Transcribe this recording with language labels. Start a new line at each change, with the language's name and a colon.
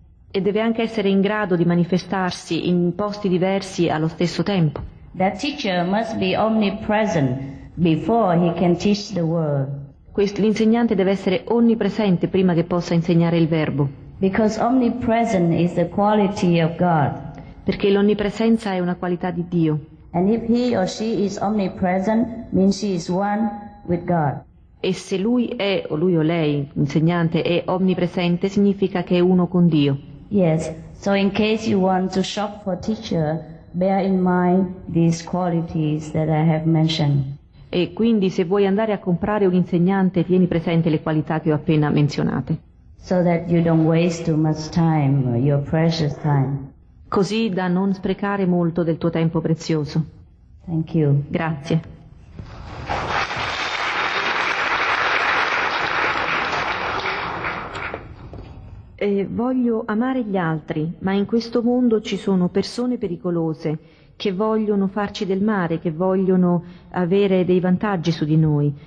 Italian: E deve anche essere in grado di manifestarsi in posti diversi allo stesso tempo.
English: That teacher must be omnipresent before he can teach the word.
Italian: L'insegnante deve essere onnipresente prima che possa insegnare il verbo.
English: Because omnipresent is the quality of God.
Italian: Perché l'onnipresenza è una qualità di Dio.
English: And if he or she is omnipresent, means she is one with God.
Italian: E se lui è, o lui o lei, insegnante, è omnipresente, significa che è uno con Dio.
English: Yes, so in case you want to shop for teacher, bear in mind these qualities that I have mentioned.
Italian: E quindi se vuoi andare a comprare un insegnante, tieni presente le qualità che ho appena menzionate.
English: So that you don't waste too much time, your precious time.
Italian: Così da non sprecare molto del tuo tempo prezioso.
English: Thank you.
Italian: Grazie. Voglio amare gli altri, ma in questo mondo ci sono persone pericolose che vogliono farci del male, che vogliono avere dei vantaggi su di noi.